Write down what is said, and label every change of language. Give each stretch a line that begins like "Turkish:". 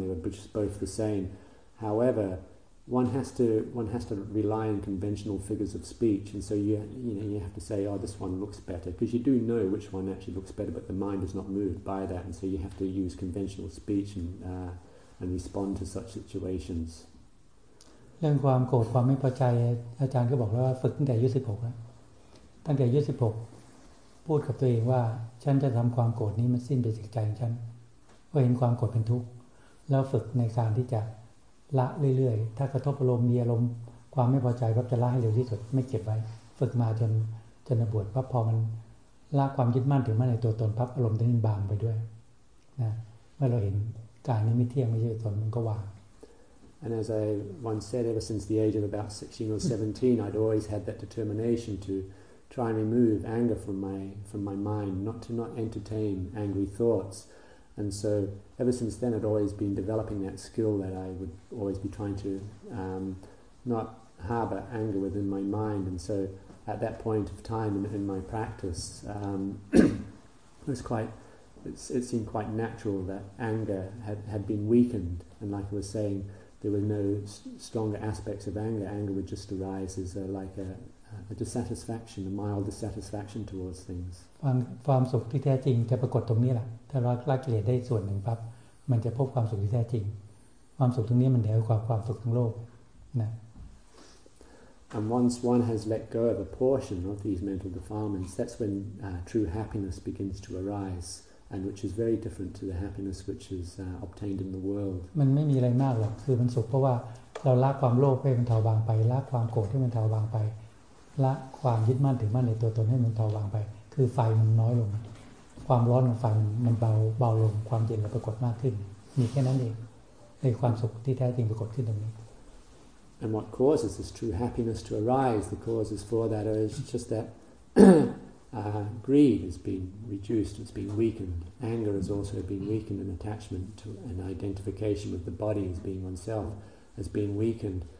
English: They were just both the same. However, one has to rely on conventional figures of speech. And so you have to say, oh, this one looks better, because you do know which one actually looks better, but the mind is not moved by that. And so you have to use conventional speech and respond to such situations.
Thai: เรื่องความโกรธความไม่พอใจอาจารย์ก็บอกแล้วว่าฝึกตั้งแต่อายุ16แล้วตั้งแต่อายุ16 พูดกับตัวเองว่าฉันจะทำความโกรธนี้มันสิ้นไปจากใจฉันเพราะเห็นความโกรธเป็นทุกข์แล้วฝึกในการที่จะละเรื่อยๆถ้ากระทบอารมณ์มีอารมณ์ความไม่พอใจก็จะละให้เร็วที่สุดไม่เก็บไว้ฝึกมาจนบวชปั๊บพอมันละความยึดมั่นถือมั่นในตัวตนปั๊บอารมณ์จะนิ่งบางไปด้วยนะเมื่อเราเห็นการนี้ไม่เที่ยงไม่ใช่ตนมันก็วาง
English: And as I once said, ever since the age of about 16 or 17, I'd always had that determination to try and remove anger from my mind, not to entertain angry thoughts. And so ever since then, I'd always been developing that skill that I would always be trying to not harbor anger within my mind. And so at that point of time in my practice, it seemed quite natural that anger had been weakened. And like I was saying, there were no stronger aspects of anger. Anger would just arise as a dissatisfaction, a mild dissatisfaction towards things.
Thai: ความสุขที่แท้จริงจะปรากฏตรงนี้แหละถ้าเราละกิเลสได้ส่วนหนึ่งปั๊บมันจะพบความสุขที่แท้จริงความสุขตรงนี้มันเหนือกว่าความสุขทั้งโลกนะ
English: And once one has let go of a portion of these mental defilements, that's when true happiness begins to arise, and which is very different to the happiness which is obtained in the world.
Thai: มันไม่มีอะไรมากหรอกคือมันสุขเพราะว่าเราละความโลภให้มันเบาบางไปละความโกรธให้มันเบาบางไปละความยึดมั่นถือมั่นในตัวตนให้มันเบาบางไปคือไฟมันน้อยลงความร้อนของไฟมันเบาลงความเย็นมันปรากฏมากขึ้นมีแค่นั้นเองในความสุขที่แท้จริงปรากฏขึ้นตรงนี้
English: And what causes this true happiness to arise? The causes for that are just that greed has been reduced, it's been weakened. Anger has also been weakened, and attachment to an identification with the body as being oneself has been weakened.